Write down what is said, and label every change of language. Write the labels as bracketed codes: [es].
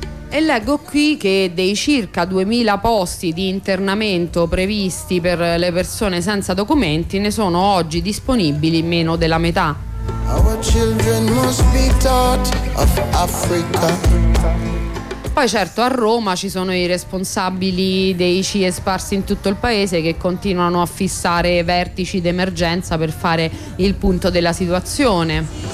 [it] E leggo qui che dei circa 2000 posti di internamento previsti per le persone senza documenti ne sono oggi disponibili meno della metà. [en] Our children must... must be taught of Africa. [it] Poi certo a Roma ci sono i responsabili dei CIE sparsi in tutto il paese che continuano a fissare vertici d'emergenza per fare il punto della situazione.